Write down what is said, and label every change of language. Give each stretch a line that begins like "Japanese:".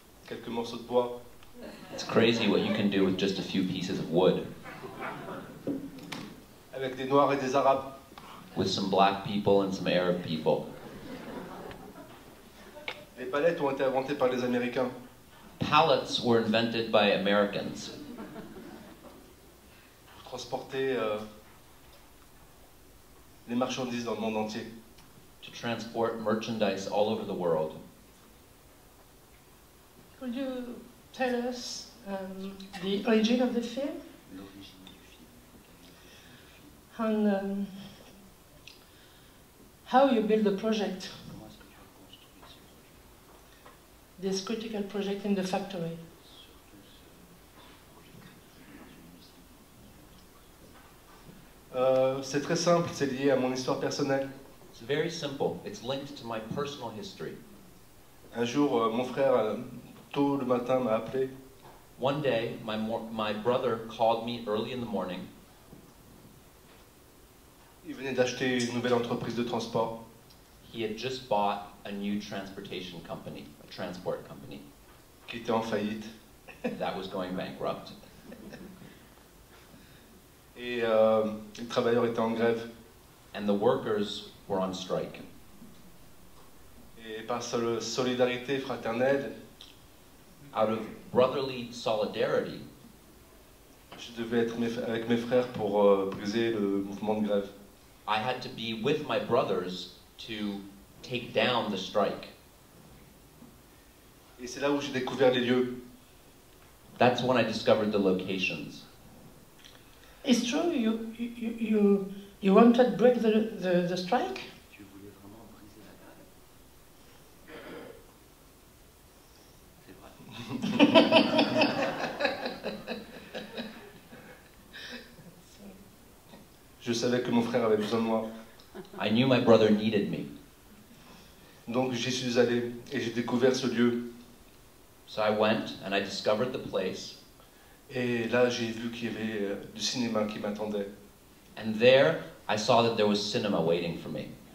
English: It's crazy what you can do with just a few pieces of wood.
French: Avec des noirs et des arabes.
English: With some black people and some Arab people.
French: Les palettes ont été inventées par les Américains.
English: Palettes were invented by Americans.
French: Pour transporter les marchandises dans le monde entier.
English: To transport merchandise all over the world. Could you tell us the origin of the film? And how you build the project? This critical project in the factory.
French: C'est très simple, c'est lié à mon histoire personnelle.
English: It's very simple, it's linked to my personal history.
French: Un jour, mon frère... Tôt le matin m'a appelé.
English: One day, my brother called me early in the morning.
French: Il venait d'acheter une nouvelle entreprise de transport.
English: He had just bought a new transportation company, a transport company.
French: Qui était en faillite.
English: That was going bankrupt.
French: Et les travailleurs étaient en grève.
English: And the workers were on strike.
French: Et par la solidarité fraternelle.
English: Out of brotherly solidarity,
French: je devais être avec mes frères pour briser le mouvement de grève.
English: I had to be with my brothers to take down the strike.
French: Et c'est là où j'ai découvert les lieux.
English: That's when I discovered the locations. It's true, you wanted to break the strike?
French: Je savais que mon frère avait besoin de moi.
English: I knew my brother needed me.
French: Donc j'y suis allé et j'ai découvert ce lieu.
English: So I went and I discovered the place.
French: Et là j'ai vu qu'il y avait du cinéma qui m'attendait.
English: And there I saw that there was cinema waiting for me.